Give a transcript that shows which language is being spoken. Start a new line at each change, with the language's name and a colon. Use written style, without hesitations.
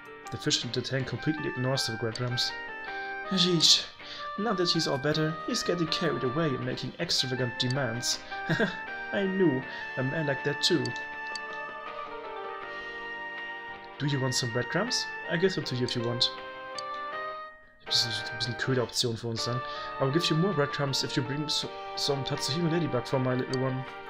English: The fish in the tank completely ignores the breadcrumbs. Jeez. Now that he's all better, he's getting carried away and making extravagant demands. I knew a man like that too. Do you want some breadcrumbs? I'll give them to you if you want.
German: Das ist ein bisschen köder Option für uns dann.
English: I'll give you more breadcrumbs if you bring some Tatsuhime ladybug for my little one.